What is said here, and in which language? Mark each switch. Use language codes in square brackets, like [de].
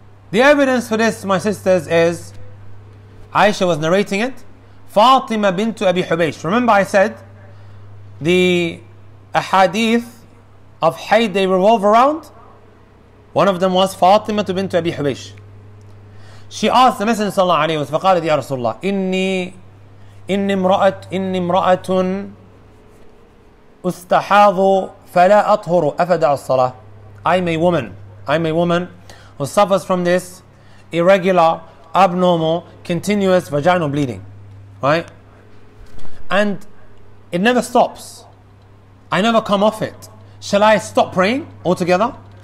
[en] The evidence for this, my sisters, is Aisha was narrating it. Fatima bint Abi Hubaysh. Remember I said the ahadith of Hayd, they revolve around? One of them was Fatima bint Abi Hubaysh. She asked the Messenger [ar] sallallahu alayhi wa sallam, فَقَالَتْ يَا رَسُولَ اللَّهِ إِنِّي امْرَأَةٌ أُسْتَحَاضُ فَلَا أَطْهُرُ أَفَدَعُ الصَّلَاةِ. [en] I'm a woman who suffers from this irregular, abnormal, continuous vaginal bleeding. Right? And it never stops. I never come off it. Shall I stop praying altogether?